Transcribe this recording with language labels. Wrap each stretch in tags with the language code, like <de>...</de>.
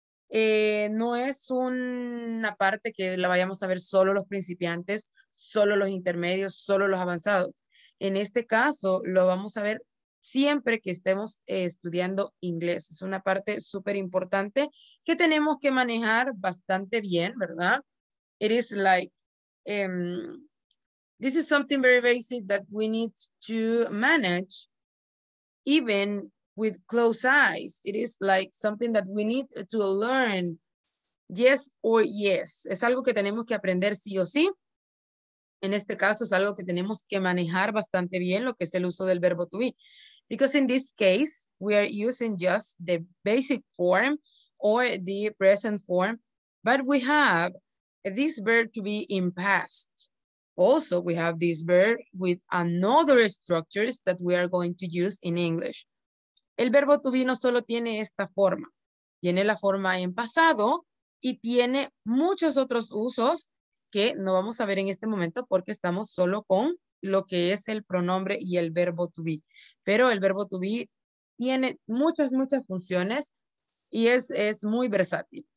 <es>No es una parte que la vayamos a ver solo los principiantes, solo los intermedios, solo los avanzados. En este caso, lo vamos a ver siempre que estemos estudiando inglés. Es una parte súper importante que tenemos que manejar bastante bien, ¿verdad?</es> <en>It is like... This is something very basic that we need to manage even with closed eyes. It is like something that we need to learn, yes or yes.</en> <es>Es algo que tenemos que aprender sí o sí. En este caso, es algo que tenemos que manejar bastante bien, lo que es el uso del verbo to be.</es> <en>Because in this case, we are using just the basic form or the present form, but we have this verb to be in past. Also, we have this verb with another structures that we are going to use in English.</en> <es>El verbo to be no solo tiene esta forma. Tiene la forma en pasado y tiene muchos otros usos que no vamos a ver en este momento porque estamos solo con lo que es el pronombre y el verbo to be. Pero el verbo to be tiene muchas, muchas funciones y es muy versátil.</es>